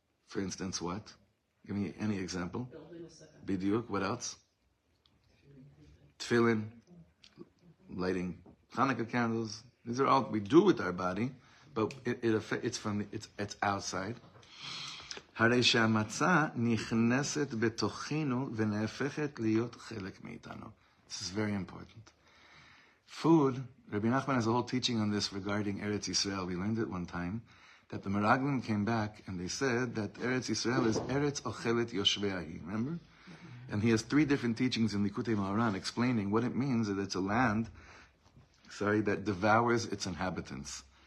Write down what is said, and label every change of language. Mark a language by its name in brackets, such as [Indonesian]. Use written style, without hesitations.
[English] For instance, what? Give me any example. Bidiyuk, what else? Tefillin. lighting Hanukkah candles. These are all we do with our body, but it's outside. [Hebrew] הרי שהמצה נכנסת בתוכנו ונהפכת להיות חלק מאיתנו. [English] This is very important. Food, Rabbi Nachman has a whole teaching on this regarding Eretz Yisrael. We learned it one time, that the Meraglim came back and they said that Eretz Yisrael is [Hebrew] Eretz Ochelet Yoshveahi, [English] remember? And he has three different teachings in Likutei Maharan explaining what it means that it's a land, that devours its inhabitants.